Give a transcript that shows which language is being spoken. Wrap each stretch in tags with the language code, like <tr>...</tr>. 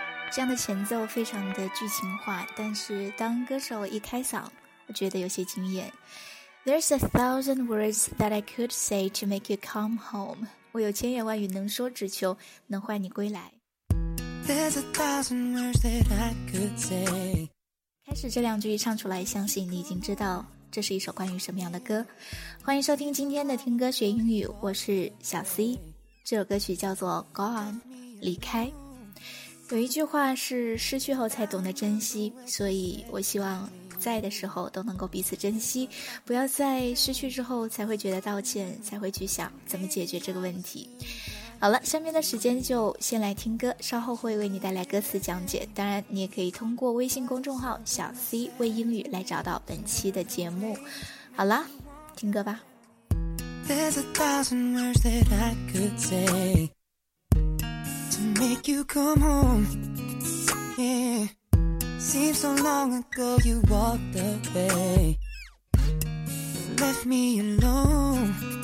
<zh>这样的前奏非常的剧情化，但是当歌手一开嗓，我觉得有些惊艳。</zh> <en>There's a thousand words that I could say to make you come home.</en> <zh>我有千言万语能说，只求能唤你归来。</zh> <en>There's a thousand words that I could say.</en> <zh>开始这两句一唱出来，相信你已经知道这是一首关于什么样的歌。欢迎收听今天的听歌学英语，我是小 C。这首歌曲叫做 Gone， 离开。有一句话是失去后才懂得珍惜，所以我希望在的时候都能够彼此珍惜，不要在失去之后才会觉得道歉，才会去想怎么解决这个问题。好了，下面的时间就先来听歌，稍后会为你带来歌词讲解，当然你也可以通过微信公众号小 C 为英语来找到本期的节目。好了，听歌吧。</zh> <en>There's a thousand words that I could sayMake you come home, yeah. Seems so long ago you walked away, left me alone.</en>